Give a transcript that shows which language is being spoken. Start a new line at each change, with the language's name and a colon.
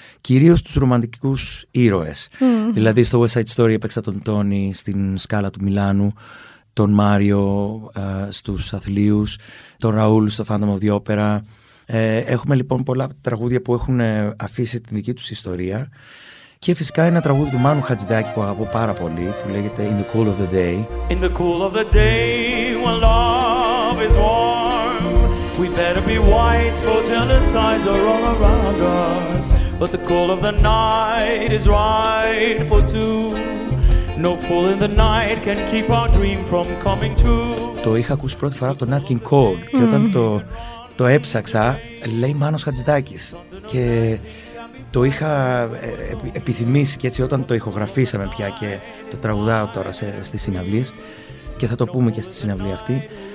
Greek: Κυρίως τους ρομαντικούς ήρωες. Mm. Δηλαδή στο West Side Story έπαιξα τον Τόνι, στην Σκάλα του Μιλάνου, τον Μάριο στους Αθλίους, τον Ραούλ στο Phantom of the Opera. Έχουμε λοιπόν πολλά τραγούδια που έχουν αφήσει την δική τους ιστορία. Και φυσικά ένα τραγούδι του Μάνου Χατζηδάκη που αγαπώ πάρα πολύ, που λέγεται In the Cool of the Day.
English: In the cool of the day when love is warm, we better be wise for telling signs are all around us. But the cool of the night is right for two. No fool in the night can keep our dream from coming true.
Greek: Το είχα ακούσει πρώτη φορά από τον Nat King Cole και όταν το έψαξα, λέει Μάνος Χατζηδάκης. Και το είχα επιθυμήσει και έτσι όταν το ηχογραφήσαμε πια και το τραγουδάω τώρα στις συναυλίες και θα το πούμε και στη συναυλία αυτή.